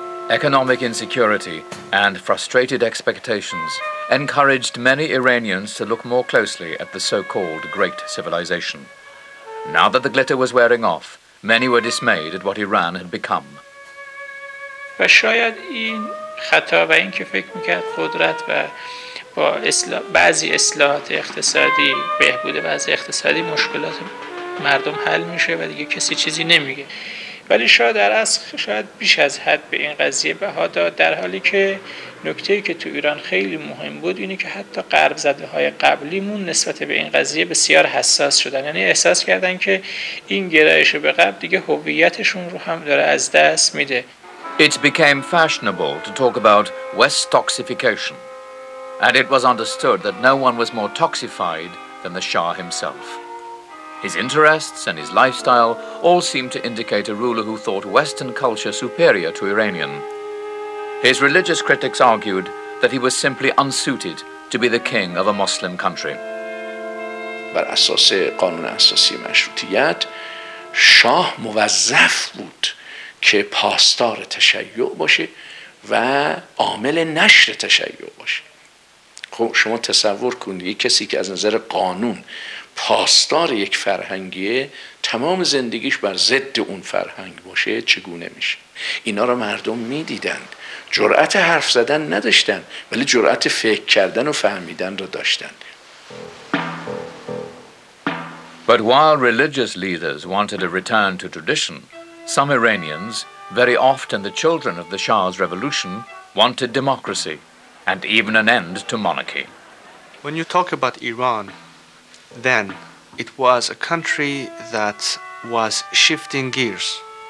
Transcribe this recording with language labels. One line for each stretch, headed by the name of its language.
English: Economic insecurity and frustrated expectations encouraged many Iranians to look more closely at the so-called great civilization. Now that the glitter was wearing off, many were dismayed at what Iran had become.
Persian: و شاید این خطا و این که فکر میکرد قدرت و با بعضی اصلاحات اقتصادی بهبود وضع اقتصادی مشکلات مردم حل میشه و دیگه کسی چیزی نمیگه. ولی شاید در اصل شاید بیش از حد به این قضیه بها داد، در حالی که نکته‌ای که تو ایران خیلی مهم بود اینه که حتی غرب زده های قبلیمون نسبت به این قضیه بسیار حساس شدن، یعنی احساس کردن که این گرایش به غرب دیگه هویتشون رو هم داره از دست میده.
English: It became fashionable to talk about West toxification, and it was understood that no one was more toxified than the Shah himself. His interests and his lifestyle all seemed to indicate a ruler who thought Western culture superior to Iranian. His religious critics argued that he was simply unsuited to be the king of a Muslim country.
Persian: بر اساس قانون اساسی مشروطیت شاه موظف بود که پاسدار تشیع باشه و عامل نشر تشیع باشه. خب شما تصور کنید یک کسی که از نظر قانون پاسدار یک فرهنگیه تمام زندگیش بر ضد اون فرهنگ باشه چگونه میشه؟ اینا رو مردم میدیدند، جرأت حرف زدن نداشتن ولی جرأت فکر کردن و فهمیدن رو داشتن.
English: But while religious leaders wanted a return to tradition, some Iranians, very often the children of the Shah's revolution, wanted democracy and even an end to monarchy. When you talk about Iran, then it was a country that was shifting gears.